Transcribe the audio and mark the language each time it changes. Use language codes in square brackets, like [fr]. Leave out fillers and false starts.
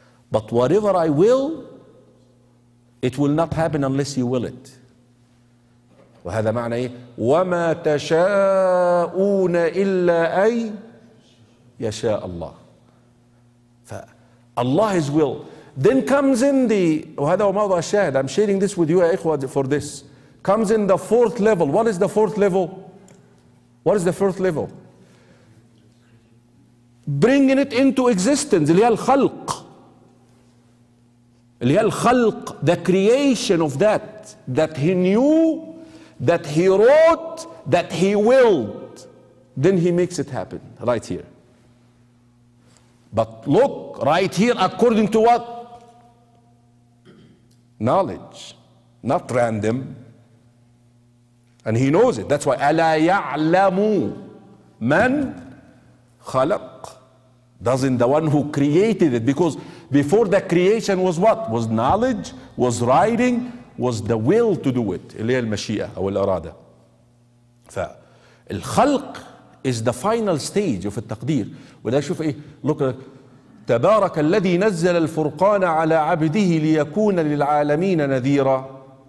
[en] But whatever I will, it will not happen unless you will it. [ar] وهذا معنى إيه؟ وما تشاءون إلا أي يشاء الله. [en] Allah His will. Then comes in the, [ar] وهذا هو موضوع الشاهد. [en] I'm sharing this with you, إخوة, for this. Comes in the fourth level. What is the fourth level? What is the fourth level? Bringing it into existence. [ar] اللي هي الخلق. اللي هي الخلق. [en] The creation of that. That he knew. That he wrote. That he willed. Then he makes it happen. Right here. But look. Right here. According to what? Knowledge. Not random. And he knows it. That's why [ar] أَلَا يَعْلَمُ مَنْ خَلَقْ. [en] Doesn't the one who created it? Because before the creation was what? Was knowledge, was writing, was the will to do it. [ar] اللي هي المشيئة أو الإرادة. [en] فالخلق is the final stage of التقدير. [ar] وده شوف إيه. Look, تبارك الذي نزل الفرقان على عبده ليكون للعالمين نذيرا.